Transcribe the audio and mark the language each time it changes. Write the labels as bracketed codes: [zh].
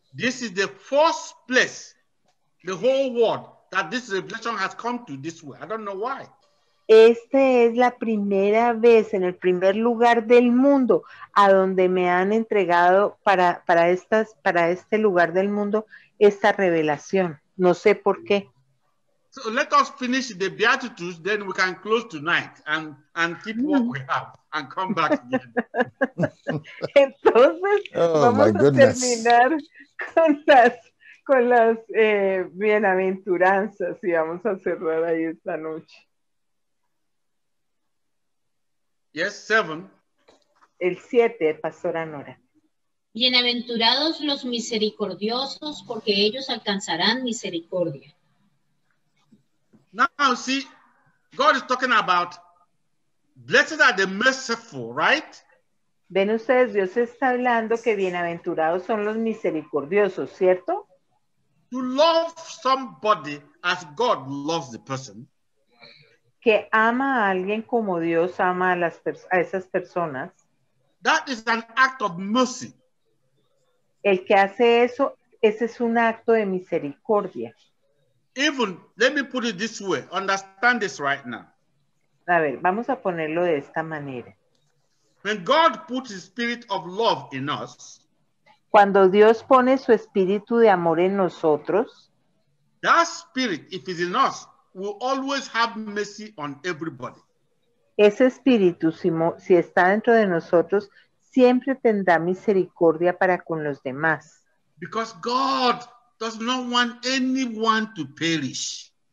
[en] This is the first place, the whole world, that this revelation has come to this way. I don't know why. [es] Esta es la primera vez en el primer lugar del mundo a donde me han entregado para este lugar del mundo esta revelación. No sé por qué. [en] So let us finish the Beatitudes, then we can close tonight and keep what we have and come back again. [es] Entonces, vamos a terminar con las bienaventuranzas y vamos a cerrar ahí esta noche. [en] Yes, 7. [es] El 7, Pastora Nora. Bienaventurados los misericordiosos, porque ellos alcanzarán misericordia. [en] Now see, God is talking about blessed are the merciful, right? [es] Ven ustedes, Dios está hablando que bienaventurados son los misericordiosos, ¿cierto? [en] To love somebody as God loves the person. [es] Que ama a alguien como Dios ama a las a esas personas. [en] That is an act of mercy. [es] El que hace eso, ese es un acto de misericordia. [en] Even, let me put it this way, understand this right now. [es] A ver, vamos a ponerlo de esta manera. [en] When God puts his spirit of love in us, [es] cuando Dios pone su espíritu de amor en nosotros, [en] that spirit, if it's in us, will always have mercy on everybody. [es] Ese espíritu, si está dentro de nosotros, siempre tendrá misericordia para con los demás. [en] Because God does not want anyone to perish.